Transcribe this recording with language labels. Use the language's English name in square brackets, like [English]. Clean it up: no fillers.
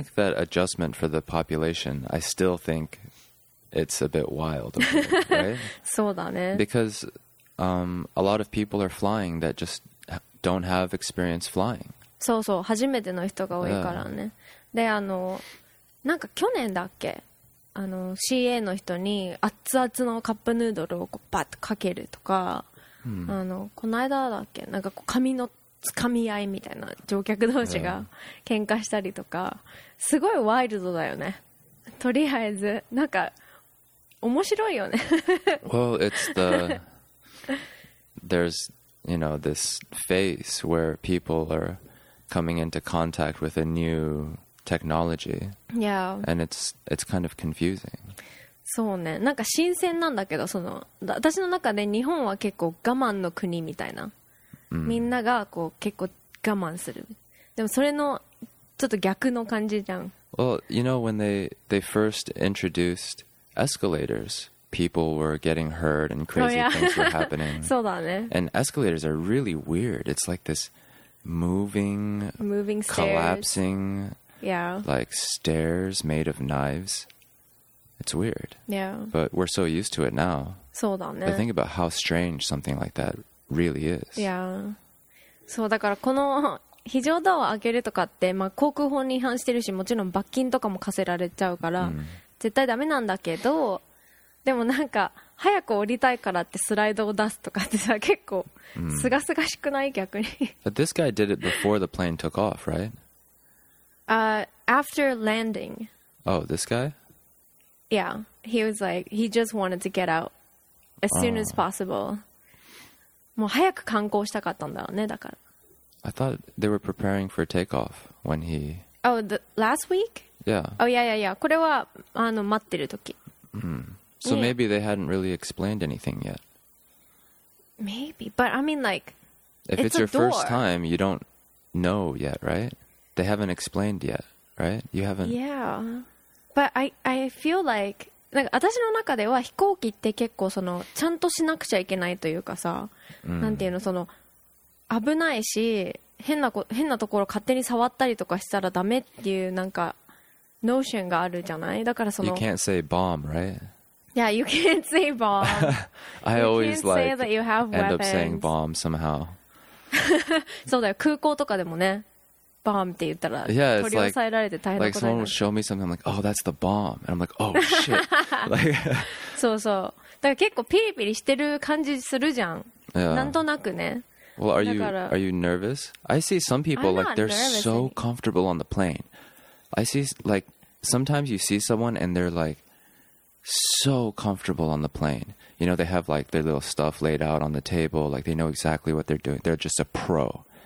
[English] If you make that adjustment for the population, I still think it's a bit wild, right? [Japanese] そうだね。 [English] Because a lot of people are flying that justDon't have experience flying. [Japanese] そうそう、初めての人が多いからね。で、なんか去年だっけ、CA の人に熱々のカップヌードルをこうパッとかけるとか、この間だっけ、なんかこう髪のつかみ合いみたいな、乗客同士が喧嘩したりとか、すごいワイルドだよね。とりあえずなんか面白いよね。 [English] Well, it's the there's you know, this phase where people are coming into contact with a new technology. Yeah. And it's kind of confusing. [Japanese] そうね。なんか新鮮なんだけど、私の中で日本は結構我慢の国みたいな。みんながこう結構我慢する。でもそれのちょっと逆の感じじゃん。 [English] Well, you know, when they first introduced escalators, people were getting hurt and crazy things were happening. [Japanese] そうだね。 [English] And escalators are really weird. It's like this moving stairs. Collapsing. Yeah. Like stairs made of knives. It's weird. Yeah. But we're so used to it now. [Japanese] そうだね。 [English] But think about how strange something like that really is. Yeah. [Japanese] そうだからこの非常ドアを開けるとかって、まあ、航空法に違反してるしもちろん罰金とかも課せられちゃうから、mm. 絶対ダメなんだけどでもなんか早く降りたいからってスライドを出すとかってさ結構すがすがしくない逆に [English] But this guy did it before the plane took off, right? After landing. Oh, this guy? Yeah, he was like, he just wanted to get out as soon as possible. [Japanese] もう早く観光したかったんだろうねだから [English] I thought they were preparing for takeoff when he... Oh, the last week? Yeah. Oh, yeah, yeah, yeah. [Japanese] これはあの待ってる時。 [English] Mm. So yeah. maybe they hadn't really explained anything yet. Maybe, but I mean like... If it's your first time, you don't know yet, right? They haven't explained yet, right? You haven't... Yeah. But I feel like... [Japanese] なんか私の中では飛行機って結構そのちゃんとしなくちゃいけないというかさ、mm. なんていうのその危ないし変なところ勝手に触ったりとかしたらダメっていうなんかノーションがあるじゃないだからその [English] You can't say bomb, right? Yeah, you can't say bomb I always you can't say that you have weapons end up saying bomb somehow [Japanese] そうだよ空港とかでもねバームって言ったら [English] yeah, [Japanese] 取り押さえられて大変なことになる [English] like someone will show me something I'm like, oh, that's the bomb and I'm like, oh, shit [Japanese] そうそうだから結構ピリピリしてる感じするじゃん、 [English] yeah. [Japanese] なんとなくね [English] Well, are you nervous? I see some people, like, they're so comfortable on the plane. I see, like, sometimes you see someone and they're, like, so comfortable on the plane. You know, they have, like, their little stuff laid out on the table. Like, they know exactly what they're doing. They're just a pro.